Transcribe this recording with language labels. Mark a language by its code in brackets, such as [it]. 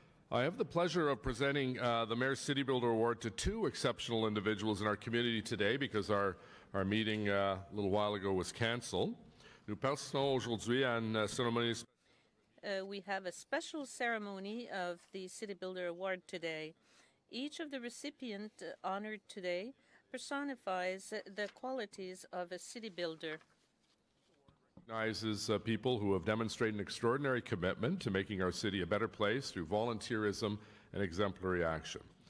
[en] I have the pleasure of presenting the Mayor's City Builder Award to two exceptional individuals in our community today because our meeting a little while ago was cancelled. [fr] Nous passons aujourd'hui à une cérémonie spéciale. [en] We have a special ceremony of the City Builder Award today. Each of the recipients honored today personifies the qualities of a city builder. Recognizes people who have demonstrated an extraordinary commitment to making our city a better place through volunteerism and exemplary action.